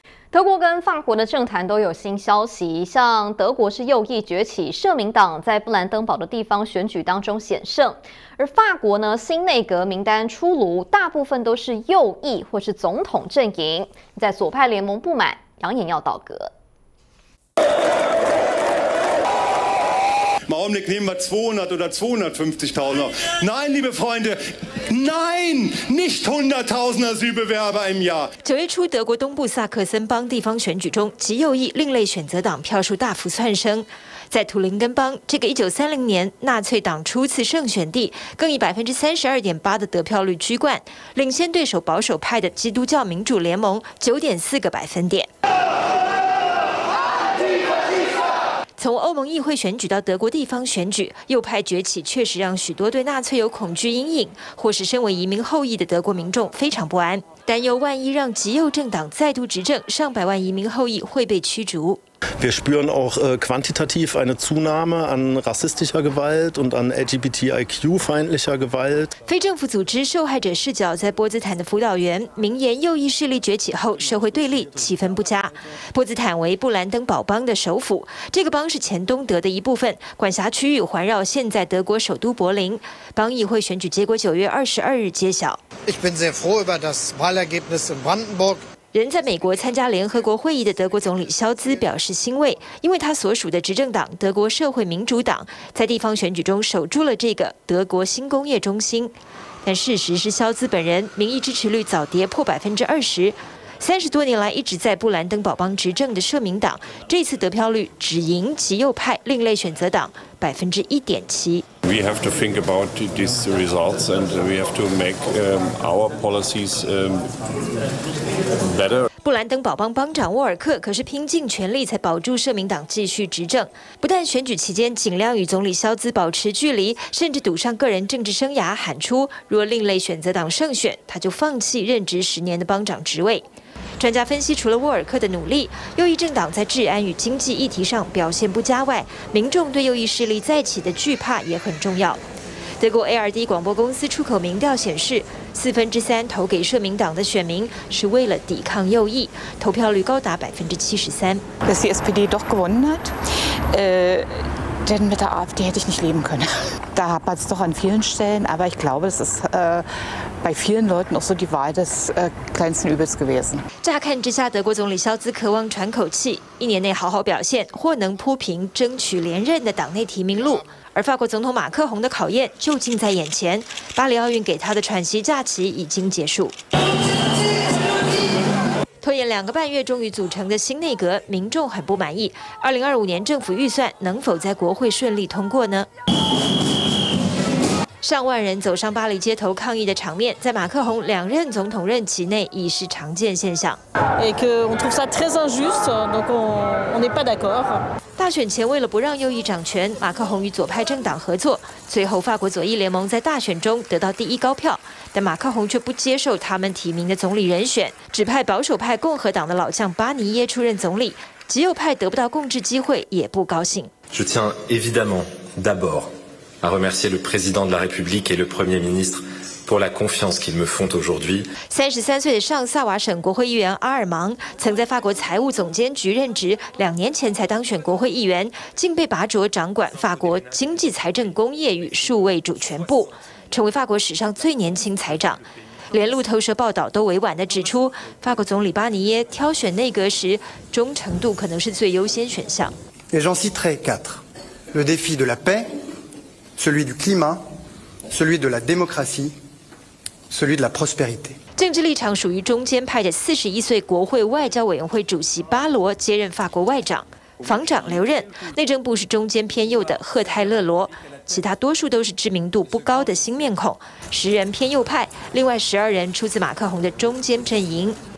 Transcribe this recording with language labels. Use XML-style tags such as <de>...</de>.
<zh>德国跟法国的政坛都有新消息，像德国是右翼崛起，社民党在布兰登堡的地方选举当中险胜，而法国呢，新内阁名单出炉，大部分都是右翼或是总统阵营，在左派联盟不满，扬言要倒戈。</zh> <de>Im Augenblick nehmen wir 200 oder 250.000 auf. Nein, liebe Freunde, nein, nicht 100.000 Asylbewerber im Jahr.</de> <zh>九月初，德国东部萨克森邦地方选举中，极右翼另类选择党票数大幅窜升。在图林根邦，这个1930年纳粹党初次胜选地，更以32.8%的得票率居冠，领先对手保守派的基督教民主联盟9.4%。从欧盟议会选举到德国地方选举，右派崛起确实让许多对纳粹有恐惧阴影，或是身为移民后裔的德国民众非常不安，担忧万一让极右政党再度执政，上百万移民后裔会被驱逐。</zh> <de>Wir spüren auch quantitativ eine Zunahme an rassistischer Gewalt und an LGBTIQ-feindlicher Gewalt.</de> <zh>非政府组织受害者视角在波茨坦的辅导员名言：右翼势力崛起后，社会对立气氛不佳。波茨坦为布兰登堡邦的首府，这个邦是前东德的一部分，管辖区域环绕现在德国首都柏林。邦议会选举结果9月22日揭晓。</zh> <de>Ich bin sehr froh über das Wahlergebnis in Brandenburg.</de> <zh>人在美国参加联合国会议的德国总理肖兹表示欣慰，因为他所属的执政党德国社会民主党在地方选举中守住了这个德国新工业中心。但事实是，肖兹本人民意支持率早跌破20%，30多年来一直在布兰登堡邦执政的社民党，这次得票率只赢极右派另类选择党1.7%。</zh> <en>We have to think about these results, and we have to make our policies better.</en> <zh>布兰登堡邦邦长沃尔克可是拼尽全力才保住社民党继续执政，不但选举期间尽量与总理肖兹保持距离，甚至赌上个人政治生涯，喊出若另类选择党胜选，他就放弃任职10年的邦长职位。专家分析，除了沃尔克的努力，右翼政党在治安与经济议题上表现不佳外，民众对右翼势力再起的惧怕也很重要。德国 ARD 广播公司出口民调显示，3/4投给社民党的选民是为了抵抗右翼，投票率高达73%。</zh> <de>Dass die SPD doch gewonnen hat, denn mit der AfD hätte ich nicht leben können. Da hapert es doch an vielen Stellen, aber ich glaube, es ist bei vielen Leuten auch so die Wahl des kleinsten Übels gewesen.</de> <zh>乍看之下，德国总理肖兹渴望喘口气，一年内好好表现，或能铺平争取连任的党内提名路。而法国总统马克宏的考验就近在眼前，巴黎奥运给他的喘息假期已经结束。拖延2个半月终于组成的新内阁，民众很不满意。 2025年政府预算能否在国会顺利通过呢？上万人走上巴黎街头抗议的场面，在马克宏两任总统任期内已是常见现象。大选前为了不让右翼掌权，马克宏与左派政党合作，最后法国左翼联盟在大选中得到第一高票，但马克宏却不接受他们提名的总理人选，指派保守派共和党的老将巴尼耶出任总理，极右派得不到共治机会也不高兴。</zh> <fr>Je tiens évidemment d'abord à remercier le président de la République et le premier ministre pour la confiance qu'ils me font aujourd'hui.</fr> <zh>33岁的上萨瓦省国会议员阿尔芒曾在法国财务总监局任职，2年前才当选国会议员，竟被拔擢掌管法国经济、财政、工业与数位主权部，成为法国史上最年轻财长。连路透社报道都委婉地指出，法国总理巴尼耶挑选内阁时，忠诚度可能是最优先选项。</zh> <fr>Et j'en citerai quatre. Le défi de la paix. Celui du climat, celui de la démocratie, celui de la prospérité.</fr> <zh>政治立场属于中间派的41岁国会外交委员会主席巴罗接任法国外长，防长留任，内政部是中间偏右的赫泰勒罗，其他多数都是知名度不高的新面孔，十人偏右派，另外十二人出自马克宏的中间阵营。</zh>